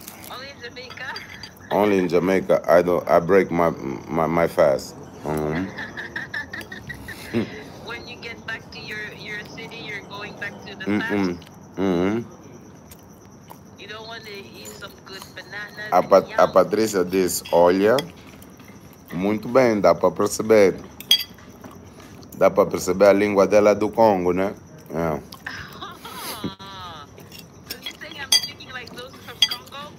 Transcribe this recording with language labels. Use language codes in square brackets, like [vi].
[en] Only in Jamaica? Only in Jamaica. I break my fast. Mm-hmm. When you get back to your city, you're going back to the fast? Mm-mm. Mm-hmm. You don't want to eat some good bananas. [pt] A Patrícia diz, olha, muito bem, dá para perceber. Dá para perceber a língua dela do Congo, né? [en] Yeah. Oh, you say I'm speaking like those from Congo?